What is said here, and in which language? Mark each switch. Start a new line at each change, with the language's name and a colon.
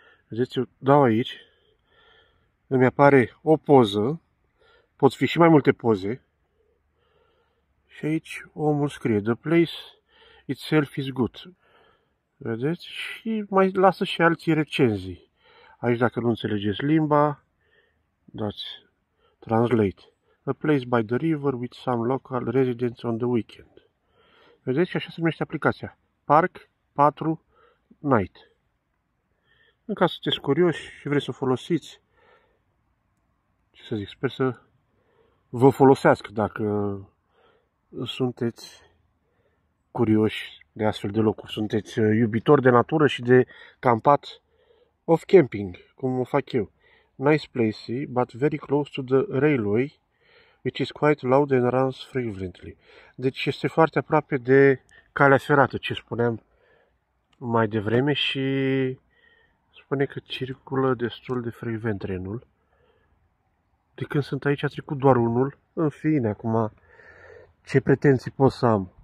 Romanian: Vedeți, eu dau aici, îmi apare o poză, pot fi și mai multe poze, și aici omul scrie,
English: the place itself is good.
Romanian: Vedeți, și mai lasă și alții recenzii. Aici dacă nu înțelegeți limba, dați translate.
English: A place by the river with some local residents on the weekend.
Romanian: Vedeți, și așa se numește aplicația, Park 4 Night. În caz sunteți curioși și vreți să o folosiți, ce să zic, sper să vă folosească dacă sunteți curioși de astfel de locuri. Sunteți iubitori de natură și de campat off-camping, cum o fac eu.
English: Nice place, but very close to the railway, which is quite loud and runs frequently.
Romanian: Deci este foarte aproape de calea ferată, ce spuneam mai devreme, și spune că circulă destul de frecvent trenul. De când sunt aici a trecut doar unul. În fine, acum ce pretenții pot să am?